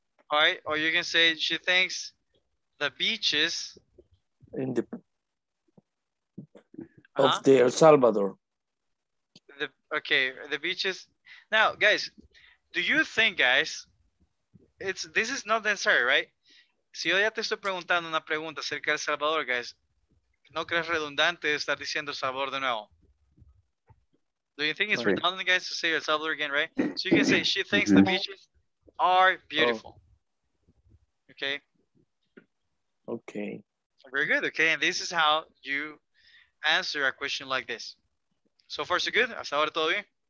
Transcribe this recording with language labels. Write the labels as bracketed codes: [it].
[en] All right, or you can say she thanks. The beaches in the of the El Salvador. The beaches. Now, guys, do you think, guys, this is not necessary, right? [es] Si yo ya te estoy preguntando una pregunta acerca del Salvador, guys, ¿no crees redundante estar diciendo Salvador de nuevo? [en] Do you think it's redundant, guys, to say El Salvador again, right? So you can say she thinks the beaches are beautiful. Okay. Okay. Very good. Okay. And this is how you answer a question like this. So far, so good. Hasta ahora todo bien.